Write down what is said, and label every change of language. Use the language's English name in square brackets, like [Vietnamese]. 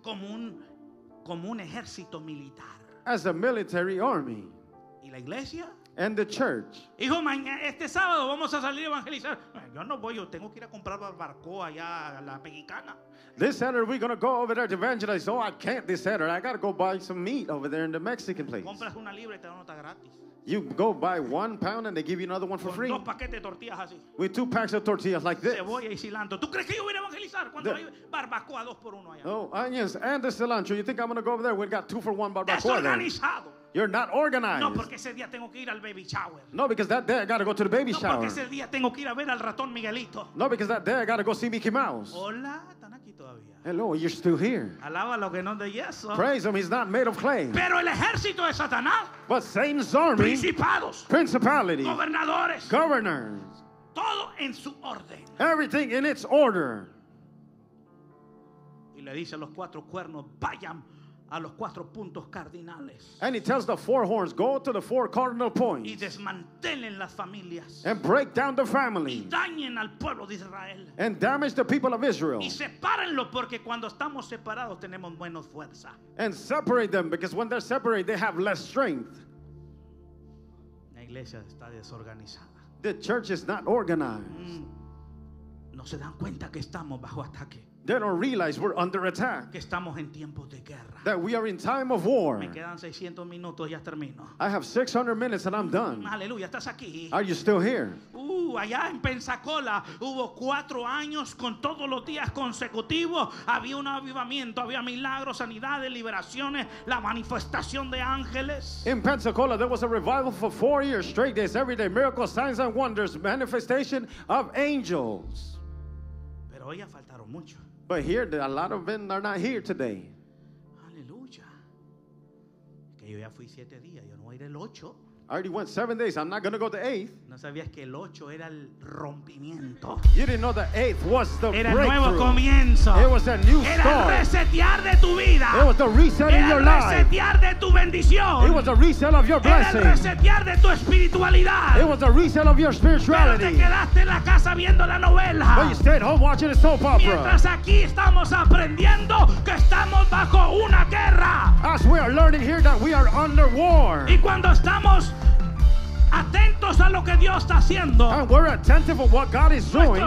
[Spanish] Como un ejército militar. [English] As a military army. [Spanish] Y la iglesia. [English] And the church. [Spanish] Hijo, mañana este sábado vamos a salir a evangelizar. Yo no voy, yo tengo que ir a comprar barbacoa allá a la Mexicana. [English] This Saturday we're gonna go over there to evangelize. Oh, I can't this Saturday. I gotta go buy some meat over there in the Mexican place. [Spanish] Compras una libra y te dan otra gratis. [English] You go buy 1 pound and they give you another one for [Spanish] con [English] free. [Spanish] Dos paquetes de tortillas así. [English] With 2 packs of tortillas like this. [Spanish] Cebolla y cilantro. ¿Tú crees que yo voy a evangelizar cuando hay barbacoa 2 por 1 allá? [English] Oh, onions and the cilantro. You think I'm gonna go over there? We've got 2 for 1 barbacoa. [Spanish] Desorganizado. [English] You're not organized. [Spanish] No, porque ese día tengo que ir al baby shower. [English] No, because that day I gotta go to the baby shower. [Spanish] No, porque ese día tengo que ir a ver al ratón Miguelito. [English] No, because that day I gotta go see Mickey Mouse. [Spanish] Hola, están aquí todavía. [English] Hello, you're still here. [Spanish] Alaba lo que no de yeso. [English] Praise him, he's not made of clay. [Spanish] Pero el ejército de Satanás. [English] But Satan's army. [Spanish] Principados. [English] Principalities. [Spanish] Gobernadores. [English] Governors. [Spanish] Todo en su orden. [English] Everything in its order. [Spanish] Y le dice a los cuatro cuernos, vayan a los cuatro puntos cardinales. [English] And he tells the four horns, go to the four cardinal points. [Spanish] Y desmantelen las familias. [English] And break down the families. [Spanish] Y dañen al pueblo de Israel. [English] And damage the people of Israel. [Spanish] Y sepárenlo, porque cuando estamos separados tenemos menos fuerza. [English] And separate them, because when they're separated they have less strength. [Spanish] La iglesia está desorganizada. [English] The church is not organized. [Spanish] No se dan cuenta que estamos bajo ataque. [English] They don't realize we're under attack. [Spanish] Que estamos en tiempos de guerra. [English] That we are in time of war. [Spanish] Me quedan 600 minutos, ya termino. [English] I have 600 minutes and I'm done. [Spanish] Aleluya, estás aquí. [English] Are you still here? [Spanish] Allá en Pensacola hubo cuatro años con todos los días consecutivos. Había un avivamiento, había milagros, sanidades, liberaciones, la manifestación de ángeles. [English] In Pensacola there was a revival for 4 years straight days, every day miracles, signs and wonders, manifestation of angels. [Spanish] Pero hoy ya faltaron mucho. [English] But here, a lot of men are not here today. [Spanish] Aleluya. Que yo ya fui 7 días, yo no voy a ir el 8. [English] I already went 7 days, I'm not going to go the 8th. [Spanish] No sabías que el 8 era el rompimiento. [English] You didn't know the 8th was the [Spanish] era [English] breakthrough. [Spanish] Era nuevo comienzo. [English] It was a new start. [Spanish] Era resetear de tu vida. [English] It was the reset [Spanish] era [English] in your life. [Spanish] Era resetear de tu bendición. [English] It was the reset of your blessing. [Spanish] Era resetear de tu espiritualidad. [English] It was the reset of your spirituality. [Spanish] Pero te quedaste en la casa viendo la novela. [English] But you stayed home watching a soap opera. [Spanish] Mientras aquí estamos aprendiendo que estamos bajo una guerra. [English] As we are learning here that we are under war. [Spanish] Y cuando estamos atentos a lo que Dios está haciendo, [English] and we're attentive to what God is doing.